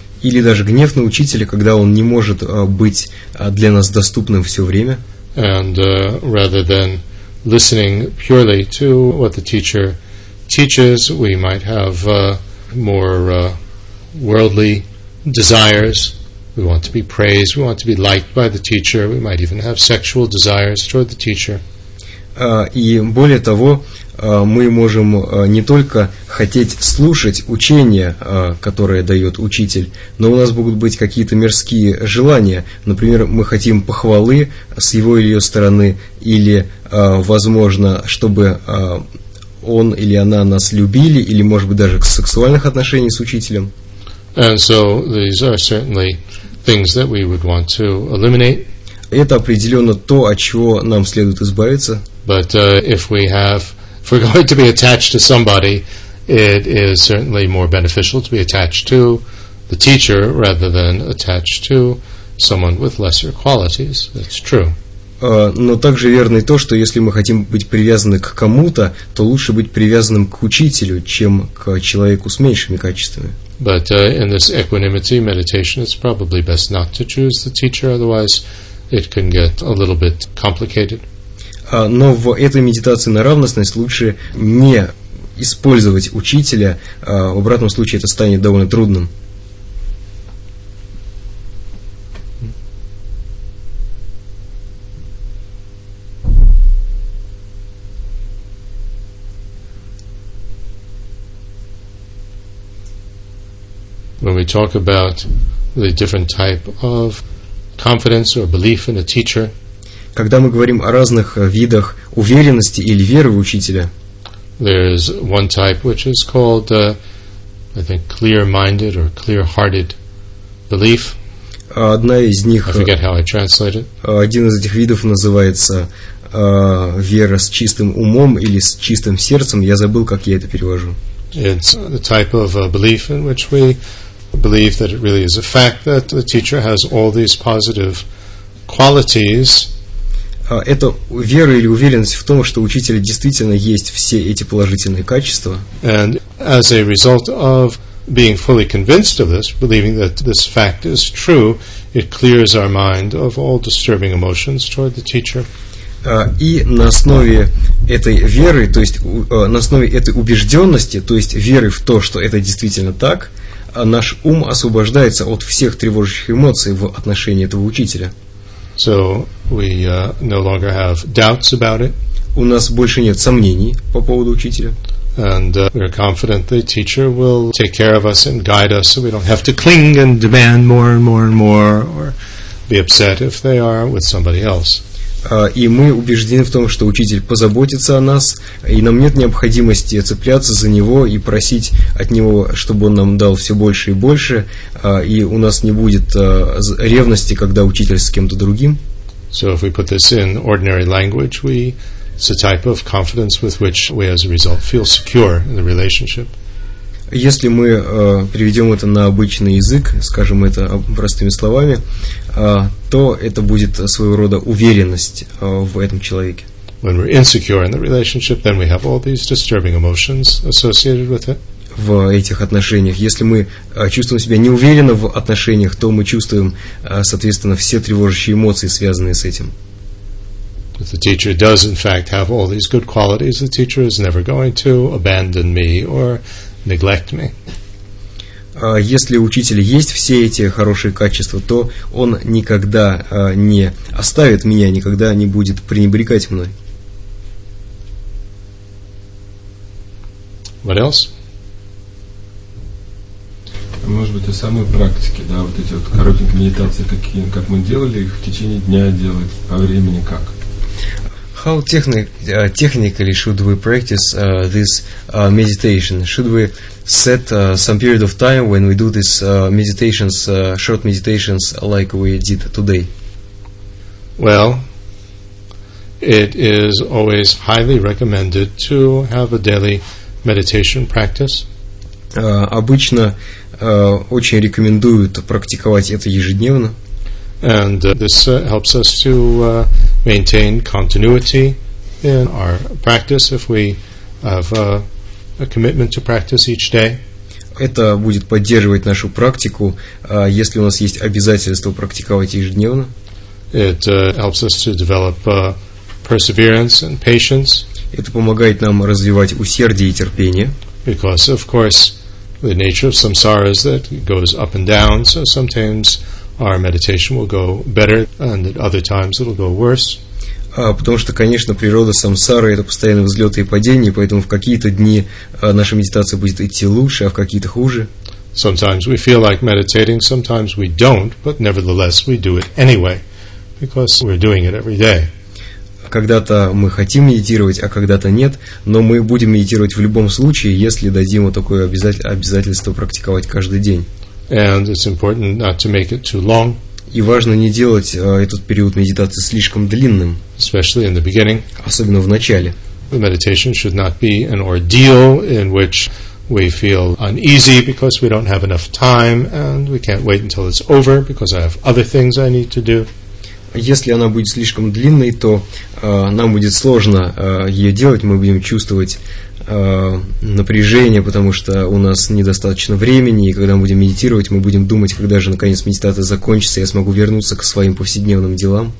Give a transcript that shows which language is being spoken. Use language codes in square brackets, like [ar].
[ru] Или даже гнев на учителя, когда он не может быть для нас доступным все время. [en] And rather than listening purely to what the teacher teaches, we might have worldly desires. We want to be praised, we want to be liked by the teacher, we might even have sexual desires toward the teacher. [ru] И более того, мы можем не только хотеть слушать учение, которое дает учитель, но у нас могут быть какие-то мирские желания. Например, мы хотим похвалы с его или ее стороны, или, возможно, чтобы он или она нас любили, или, может быть, даже к сексуальных отношений с учителем. [en] And so these are certainly things that we would want to eliminate. [ru] Это определенно то, от чего нам следует избавиться. [en] But if we have, if we're going to be attached to somebody, it is certainly more beneficial to be attached to the teacher rather than attached to someone with lesser qualities. That's true. [ru] Но также верно и то, что если мы хотим быть привязаны к кому-то, то лучше быть привязанным к учителю, чем к человеку с меньшими качествами. [en] But in this equanimity meditation, it's probably best not to choose the teacher, otherwise it can get a little bit complicated. [ru] Но в этой медитации на равностность лучше не использовать учителя, в обратном случае это станет довольно трудным. [en] When we talk about the different type of confidence or belief in a teacher, [ru] когда мы говорим о разных видах уверенности или веры в учителя, [en] there is one type which is called, I think, clear-minded or clear-hearted belief. [ru] Одна из них, [en] I forget how I translate it. [ru] Один из этих видов называется вера с чистым умом или с чистым сердцем. Я забыл, как я это перевожу. [en] It's the type of belief in which we believe that it really is a fact that the teacher has all these positive qualities. [ru] Это вера или уверенность в том, что у учителя действительно есть все эти положительные качества. [en] And as a result of being fully convinced of this, believing that this fact is true, it clears our mind of all disturbing emotions toward the teacher. [ru] И на основе этой веры, то есть на основе этой убежденности, то есть веры в то, что это действительно так, наш ум освобождается от всех тревожащих эмоций в отношении этого учителя. [en] So we no longer have doubts about it. [ru] У нас больше нет сомнений по поводу учителя. [en] And we're confident the teacher will take care of us and guide us, so we don't have to cling and demand more and more and more, or be upset if they are with somebody else. [ru] И мы убеждены в том, что учитель позаботится о нас, и нам нет необходимости цепляться за него и просить от него, чтобы он нам дал все больше и больше, и у нас не будет ревности, когда учитель с кем-то другим. [en] So if we put this in ordinary language, we, it's a type of confidence with which we as a result feel secure in the relationship. [ru] Если мы переведем это на обычный язык, скажем это простыми словами, то это будет своего рода уверенность в этом человеке. [en] When we're insecure in the relationship, then we have all these disturbing emotions associated with it. [ru] В этих отношениях. Если мы чувствуем себя неуверенно в отношениях, то мы чувствуем, соответственно, все тревожащие эмоции, связанные с этим. [en] If the teacher does, in fact, have all these good qualities, the teacher is never going to abandon me or neglect me. [ru] Если у учителя есть все эти хорошие качества, то он никогда не оставит меня, никогда не будет пренебрегать мной. [en] What else? [ru] Может быть, о самой практике, да, вот эти вот коротенькие медитации, как мы делали их в течение дня делать, по времени как? [en] How technically should we practice this meditation? Should we set some period of time when we do these meditations, short meditations, like we did today? Well, it is always highly recommended to have a daily meditation practice. [ru] Обычно очень рекомендуют практиковать это ежедневно. [en] And this helps us to maintain continuity in our practice if we have a commitment to practice each day. [ru] Это будет поддерживать нашу практику, если у нас есть обязательство практиковать ежедневно. [en] It helps us to develop perseverance and patience. [ru] Это помогает нам развивать усердие и терпение. [en] Because, of course, the nature of samsara is that it goes up and down, so sometimes our meditation will go better, and at other times it'll go worse. [ru] Потому что, конечно, природа самсары – это постоянные взлеты и падения, поэтому в какие-то дни наша медитация будет идти лучше, а в какие-то хуже. [en] Sometimes we feel like meditating, sometimes we don't, but nevertheless we do it anyway, because we're doing it every day. [ru] Когда-то мы хотим медитировать, а когда-то нет, но мы будем медитировать в любом случае, если дадим вот такое обязательство практиковать каждый день. [en] And it's important not to make it too long. [ru] И важно не делать этот период медитации слишком длинным. [en] Especially in the beginning. [ru] Особенно в начале. [en] The meditation should not be an ordeal in which we feel uneasy because we don't have enough time and we can't wait until it's over because I have other things I need to do. [ru] Если она будет слишком длинной, то нам будет сложно ее делать, мы будем чувствовать напряжение, потому что у нас недостаточно времени, и когда мы будем медитировать, мы будем думать, когда же наконец медитация закончится, я смогу вернуться к своим повседневным делам.